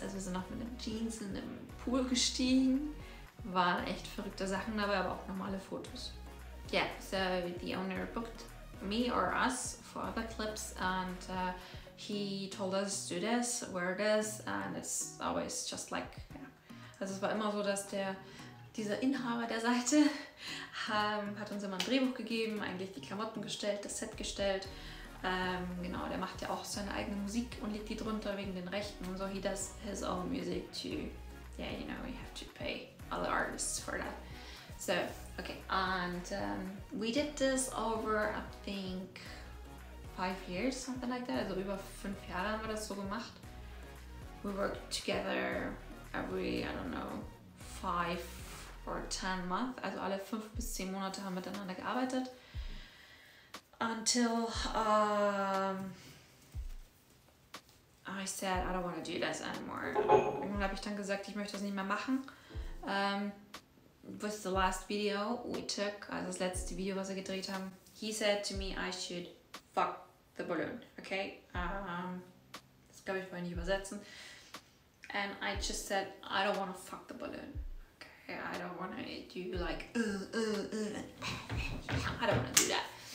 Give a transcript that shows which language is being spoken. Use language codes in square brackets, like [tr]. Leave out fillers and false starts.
[de] Also wir sind auch mit einem Jeans in einem Pool gestiegen. Waren echt verrückte Sachen dabei, aber auch normale Fotos. [en] Yeah, so the owner booked me or us for other clips and he told us to do this, wear this and it's always just like, yeah. [de] Also es war immer so, dass dieser Inhaber der Seite hat uns immer ein Drehbuch gegeben, eigentlich die Klamotten gestellt, das Set gestellt. Genau, der macht ja auch seine eigene Musik und legt die drunter wegen den Rechten und so. [en] He does his own music too. Yeah, you know, we have to pay other artists for that. So, okay, and we did this over, I think, 5 years, something like that. [de] Also über 5 Jahre haben wir das so gemacht. [en] We worked together every, I don't know, 5 or 10 months. [de] Also alle 5 bis 10 Monate haben wir miteinander gearbeitet. [en] Until I said I don't want to do this anymore. [de] Und dann habe ich dann gesagt, ich möchte das nicht mehr machen. [en] With the last video we took, [de] also das letzte Video, was wir gedreht haben, [en] he said to me I should fuck the balloon. [de] Okay, das glaube ich wollte nicht übersetzen. [en] And I just said I don't want to fuck the balloon. Okay, I don't want to do like I don't want to do that.